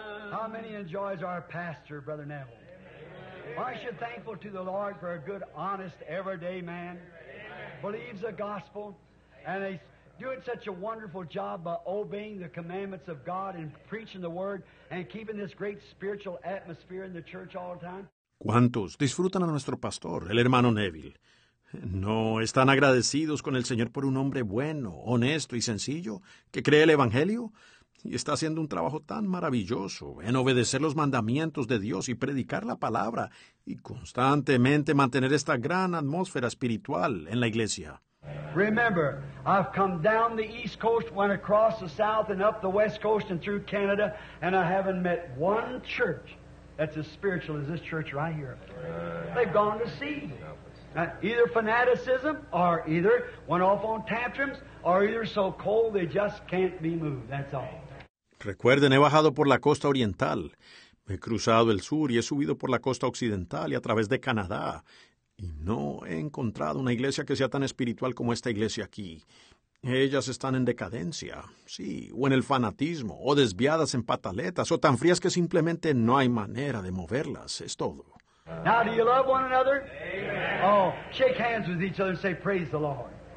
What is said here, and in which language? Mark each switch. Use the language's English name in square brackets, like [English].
[English] How many enjoys our pastor, Brother Neville? Aren't you thankful to the Lord for a good, honest, everyday man? Believes the gospel, and they do it such a wonderful job by obeying the commandments of God and preaching the word and keeping this great spiritual atmosphere in the church all the time. [Spanish] ¿Cuántos disfrutan a nuestro pastor, el hermano Neville? ¿No están agradecidos con el Señor por un hombre bueno, honesto y sencillo que cree el evangelio? Y está haciendo un trabajo tan maravilloso en obedecer los mandamientos de Dios y predicar la palabra y constantemente mantener esta gran atmósfera espiritual en la iglesia. [English] Remember, I've come down the east coast, went across the south and up the west coast and through Canada, and I haven't met one church that's as spiritual as this church right here. They've gone to sea. Either fanaticism or either went off on tantrums, are either so cold they just can't be moved. That's all. [Spanish] Recuerden, he bajado por la costa oriental, he cruzado el sur y he subido por la costa occidental y a través de Canadá, y no he encontrado una iglesia que sea tan espiritual como esta iglesia aquí. Ellas están en decadencia, sí, o en el fanatismo, o desviadas en pataletas, o tan frías que simplemente no hay manera de moverlas. Es todo. [English] Now, do you love one another? Amen. Oh, shake hands with each other and say, praise the Lord.